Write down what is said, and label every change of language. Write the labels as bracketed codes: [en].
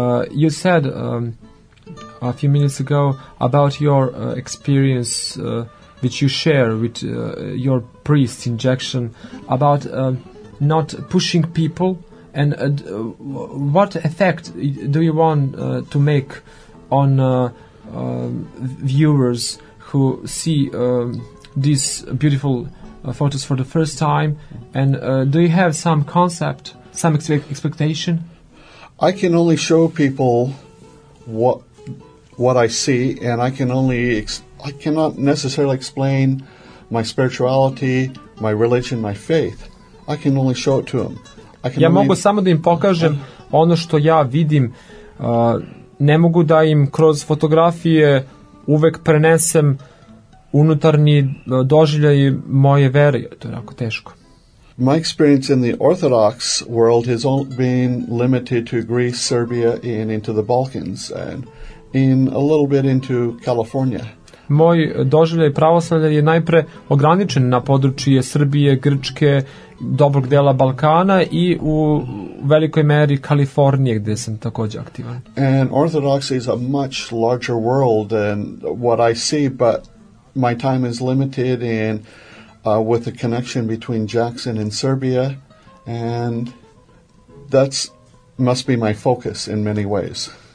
[en] You said a few minutes ago about your experience which you share with your priest in Jackson about not pushing people, and what effect do you want to make on viewers who see these beautiful photos for the first time, and do you have some concept, some expectation? I can only show people what I see, and I can only I cannot necessarily explain my spirituality, my religion, my faith. I can only show it to them. I can [sr] ja mogu samo da im pokažem ono što ja vidim. Ne mogu da im kroz fotografije uvek prenesem unutarnji doživljaj moje vere. To je jako teško. [en] My experience in the Orthodox world has been limited to Greece, Serbia, and into the Balkans, and in a little bit into California. [sr] Moj doživljaj pravoslavlja je najpre ograničen na područje Srbije, Grčke, dobrog dela Balkana i u velikoj meri Kalifornije, gde sam takođe aktivan. [en] And Orthodox is a much larger world than what I see, but my time is limited in with the connection between Jackson and Serbia, and that's must be my focus in many ways.